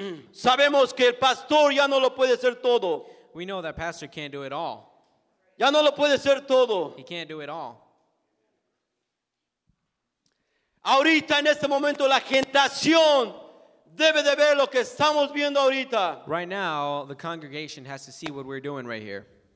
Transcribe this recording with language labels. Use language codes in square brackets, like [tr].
[es] Sabemos que el pastor ya no lo puede hacer todo. [en] We know that pastor can't do it all. [es] Ya no lo puede hacer todo. [en] He can't do it all. [es] Ahorita en este momento la generación debe de ver lo que estamos viendo ahorita. [en] Right now the congregation has to see what we're doing right here.